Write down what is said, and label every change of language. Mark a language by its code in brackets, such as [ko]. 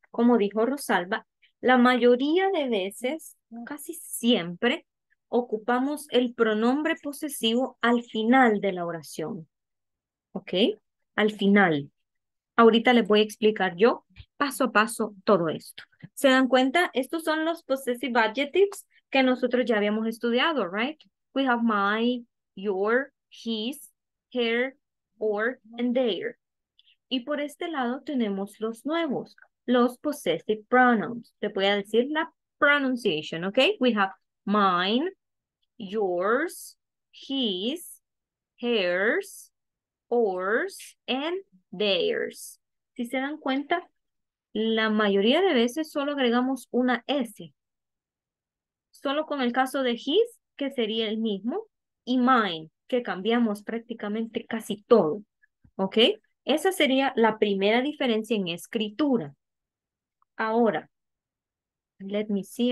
[es] Como dijo Rosalba, la mayoría de veces, casi siempre, ocupamos el pronombre posesivo al final de la oración. ¿Ok? Al final. Ahorita les voy a explicar yo, paso a paso, todo esto. ¿Se dan cuenta? Estos son los possessive adjectives que nosotros ya habíamos estudiado, right? [en] We have my, your, his, her, or, and their. [es] Y por este lado tenemos los nuevos, los possessive pronouns. Te voy a decir la pronunciation, ¿ok? [en] We have mine, yours, his, hers, ours, and theirs. [es] Si se dan cuenta, la mayoría de veces solo agregamos una S. Solo con el caso de his, que sería el mismo, y mine, que cambiamos prácticamente casi todo, ¿ok? Esa sería la primera diferencia en escritura. Ahora, [en] let me see.